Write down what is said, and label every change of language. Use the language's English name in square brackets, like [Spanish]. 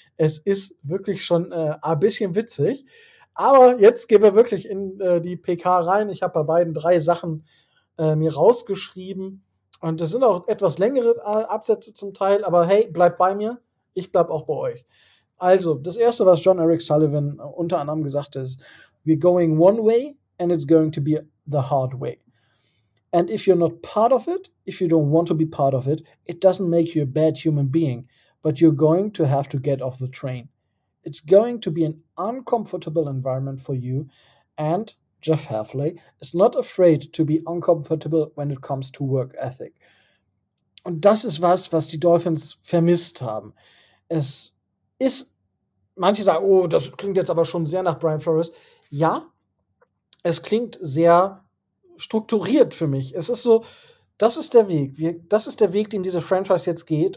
[German] Es ist wirklich schon ein bisschen witzig, aber jetzt gehen wir wirklich in die PK rein. Ich habe bei beiden 3 Sachen mir rausgeschrieben und das sind auch etwas längere Absätze zum Teil, aber hey, bleibt bei mir, ich bleib auch bei euch. Also, das Erste, was John Eric Sullivan unter anderem gesagt hat, ist: [English] We're going one way and it's going to be the hard way. And if you're not part of it, if you don't want to be part of it, it doesn't make you a bad human being, but you're going to have to get off the train. It's going to be an uncomfortable environment for you, and Jeff Hafley is not afraid to be uncomfortable when it comes to work ethic. [German] Und das ist was die Dolphins vermisst haben. Es ist, manche sagen, oh, das klingt jetzt aber schon sehr nach Brian Flores. Ja, es klingt sehr strukturiert für mich. Es ist so, das ist der Weg. Das ist der Weg, den diese Franchise jetzt geht.